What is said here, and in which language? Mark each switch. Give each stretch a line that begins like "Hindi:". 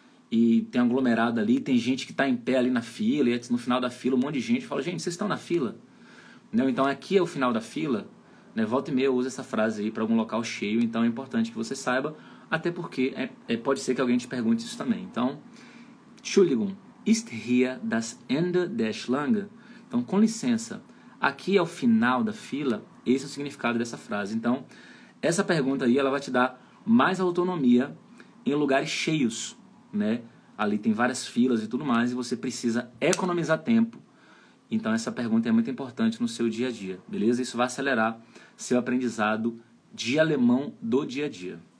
Portuguese: E tem aglomerado ali, tem gente que está em pé ali na fila, e no final da fila um monte de gente fala, gente, vocês estão na fila? Não, então aqui é o final da fila. Né? Volta e meia usa essa frase aí para algum local cheio, então é importante que você saiba, até porque pode ser que alguém te pergunte isso também. Então,
German: Entschuldigung, ist hier das Ende der Schlange?
Portuguese: Então, com licença, aqui é o final da fila? Esse é o significado dessa frase. Então, essa pergunta aí, ela vai te dar mais autonomia em lugares cheios, né? Ali tem várias filas e tudo mais, e você precisa economizar tempo. Então, essa pergunta é muito importante no seu dia a dia, beleza? Isso vai acelerar seu aprendizado de alemão do dia a dia.